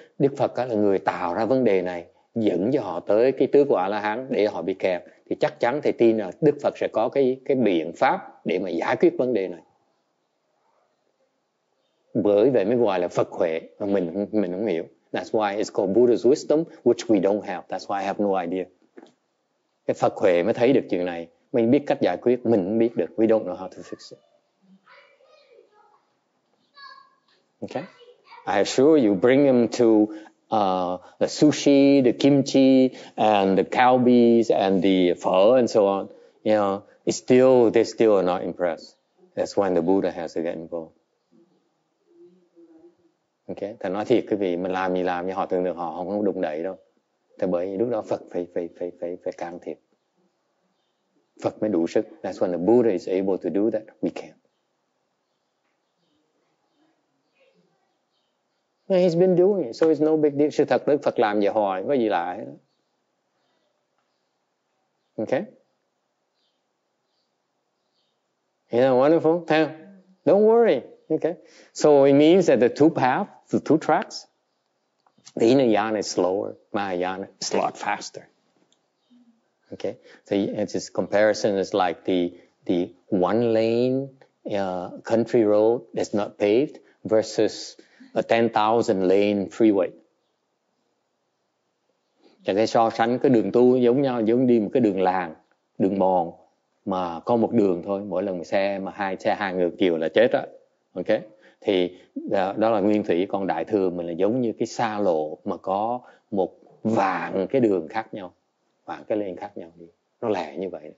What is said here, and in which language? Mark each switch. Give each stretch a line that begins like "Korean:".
Vietnamese: Đức Phật là người tạo ra vấn đề này, dẫn cho họ tới cái tứ của A-la-hán để họ bị kẹt. Thì chắc chắn thầy tin là Đức Phật sẽ có cái biện pháp để mà giải quyết vấn đề này. Bởi vậy mới gọi là Phật huệ. Mình không hiểu.
English: That's why it's called Buddha's wisdom, which we don't have. That's why I have no idea.
Vietnamese: Cái Phật Huệ mới thấy được chuyện này. Mình biết cách giải quyết, mình biết được.
English: We don't know how to fix it. Okay? I assure you, bring him to the sushi, the kimchi, and the kalbis, and the pho, and so on. You know, it's still, they still are not impressed. That's when the Buddha has to get involved.
Vietnamese: Okay, thầy nói thiệt quý vị, mình làm gì làm, họ tưởng được họ không có đụng đẩy đâu. Tại bởi lúc đó Phật phải can thiệp. Phật mới đủ sức.
English: That's when the Buddha is able to do that, we can. And he's been doing it, so it's no big deal.
Vietnamese: Sự thật đấy, Phật làm gì hỏi, có gì lạ.
English: Okay? Isn't that wonderful? Thầy, don't worry. Okay? So it means that the two paths, the two tracks, the Hinayana is slower, Mahayana is a lot faster. Okay? So it's this comparison is like the one lane country road that's not paved versus a 10,000 lane freeway.
Vietnamese: Chẳng thể so sánh cái đường tu giống nhau, giống đi một cái đường làng, đường mòn, mà có một đường thôi, mỗi lần xe mà hai xe hàng ngược chiều là chết đó. Okay? Thì đó là nguyên thủy, còn đại thừa mình là giống như cái xa lộ mà có một vạn cái đường khác nhau, vạn cái lên khác nhau, nó lẻ như vậy.